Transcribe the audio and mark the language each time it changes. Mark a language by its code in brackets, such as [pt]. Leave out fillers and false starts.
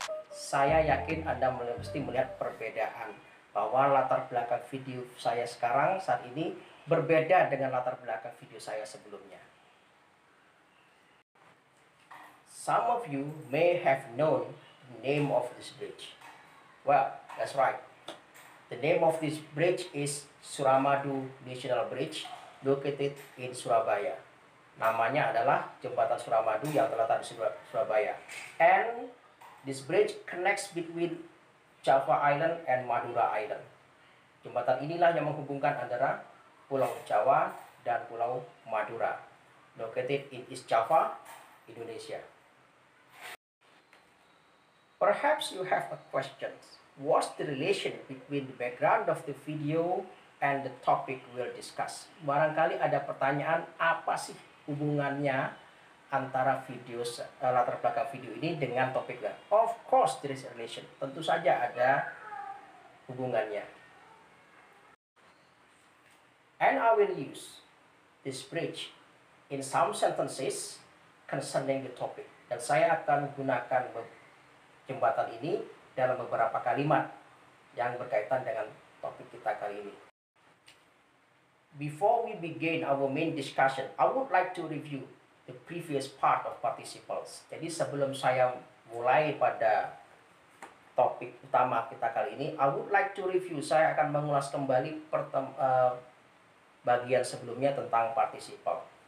[id] saya yakin Anda mesti melihat perbedaan bahwa latar belakang video saya sekarang saat ini berbeda dengan latar belakang video saya sebelumnya. [en] Some of you may have known the name of this bridge. Well, that's right. The name of this bridge is Suramadu National Bridge, located in Surabaya. [id] Namanya adalah Jembatan Suramadu yang terletak di Surabaya. [en] And this bridge connects between Java Island and Madura Island. [id] Jembatan inilah yang menghubungkan antara Pulau Jawa dan Pulau Madura, [en] located in East Java, Indonesia. Perhaps you have a question. What's the relation between the background of the video and the topic we'll discuss? [id] Barangkali ada pertanyaan, apa sih hubungannya antara video, latar belakang video ini dengan topik? [en] Of course there is a relation. [id] Tentu saja ada hubungannya. [en] And I will use this bridge in some sentences concerning the topic. [id] Dan saya akan gunakan jembatan ini dalam beberapa kalimat yang berkaitan dengan topik kita kali ini. [en] Before we begin our main discussion, I would like to review the previous part of participles. [id] Jadi sebelum saya mulai pada topik utama kita kali ini, [en] I would like to review, [id] saya akan mengulas kembali bagian sebelumnya tentang participle.